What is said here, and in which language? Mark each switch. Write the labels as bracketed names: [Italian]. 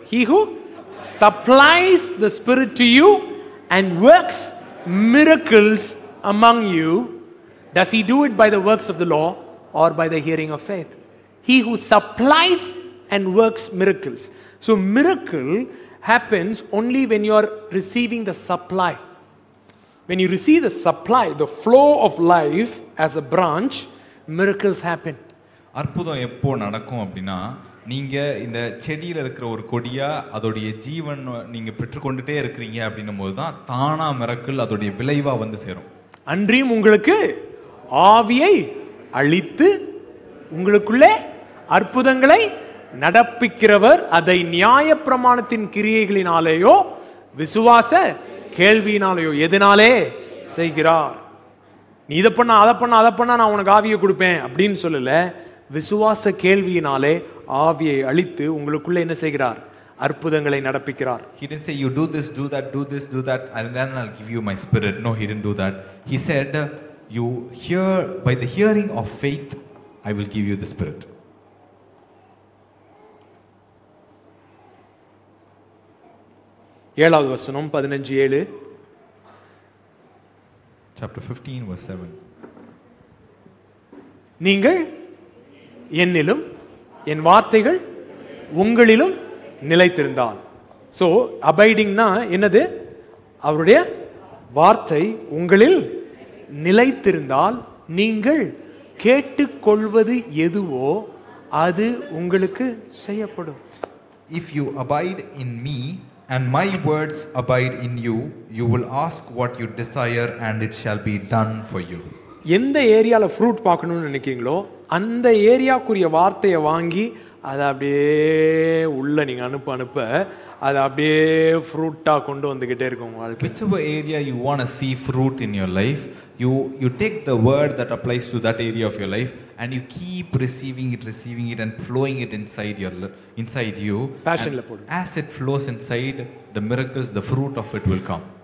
[English] He who supplies the Spirit to you and works miracles among you, does he do it by the works of the law or by the hearing of faith? He who supplies and works miracles. So miracle happens only when you are receiving the supply. When you receive the supply, the flow of life as a branch, miracles happen. [Tamil] அற்புதம் எப்போ நடக்கும் அப்படினா, நீங்க இந்த செடியில இருக்கிற ஒரு கொடியா அதோட ஜீவன் நீங்க பெற்றுக்கொண்டே இருக்கீங்க அப்படின போது தான் தானா மிரக்கிள் அதோட விளைவா வந்து சேரும். அன்றியும் உங்களுக்கு ஆவியை அழித்து உங்களுக்குள்ளே அற்புதங்களை நடப்பிக்கிறவர், அதை நியாய பிரமாணத்தின் கிரியைகளினாலேயோ விசுவாச கேள்வியினாலேயோ எதனாலே செய்கிறார். நீ இதை பண்ண அதை பண்ண அதை பண்ண நான் உனக்கு ஆவியை கொடுப்பேன் அப்படின்னு சொல்லல, விசுவாச கேள்வியினாலே ஆவியை அழித்து உங்களுக்குள்ள என்ன செய்கிறார், அற்புதங்களை நடப்பிக்கிறார். [English] He didn't say you do this, do that and then I'll give you my spirit. No, he didn't do that. He said you hear by the hearing of faith I will give you the spirit. [Tamil] ஏழாவது வசனம் 15:7. [English] Chapter 15 verse 7. [Tamil] நீங்கள் என்னிலும் என் வார்த்தைகள் உங்களிலும் நிலைத்திருந்தால். So அபைடிங்னா என்னது, அவருடைய வார்த்தை உங்களில் நிலைத்திருந்தால் நீங்கள் கேட்டுக்கொள்வது எதுவோ அது உங்களுக்கு செய்யப்படும். [English] If you abide in me and my words abide in you, you will ask what you desire and it shall be done for you. [Tamil] எந்த ஏரியால ஃப்ரூட் பார்க்கணும்னு நினைக்கிறீங்களோ அந்த ஏரியாக்குரிய வார்த்தையை வாங்கி அதை அப்படியே உள்ள நீங்க அனுப்ப அனுப்ப அதை அப்படியே ஃப்ரூட்டா கொண்டு வந்துகிட்டே இருக்கும் உங்களுக்கு. [English] Whichever area you want to see fruit in your life, you take the word that applies to that area of your life and you keep receiving it and flowing it inside you passion la podu. As it flows inside, the miracles, the fruit of it will come.